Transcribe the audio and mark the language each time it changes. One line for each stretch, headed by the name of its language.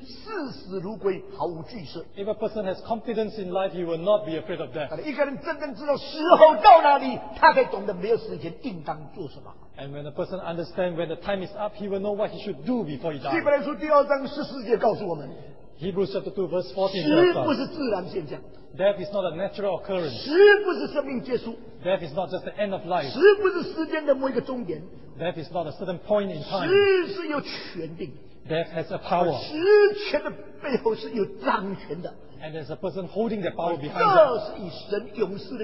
Chinese: 一个人有生命的把握，这个人对死视死如归，毫无惧色。
English: If a person has confidence in life, he will not be afraid of death.
Chinese: 一个人真正知道时候到哪里，他才懂得没有时间应当做什么。
English: And when a person understands when the time is up, he will know what he should do before he dies.
Chinese: 希伯来书第二章十四节告诉我们，
English: Hebrews chapter 2 verse 14
Chinese: 死不是自然现象。
English: Death is not a natural occurrence.
Chinese: 死不是生命结束。
English: Death is not just the end of life.
Chinese: 死不是时间的某一个终点。
English: Death is not a certain point in time.
Chinese: 死是有权柄。
English: Death has a power.
Chinese: 死权的背后是有掌权的。
English: And there's a person holding the power behind them.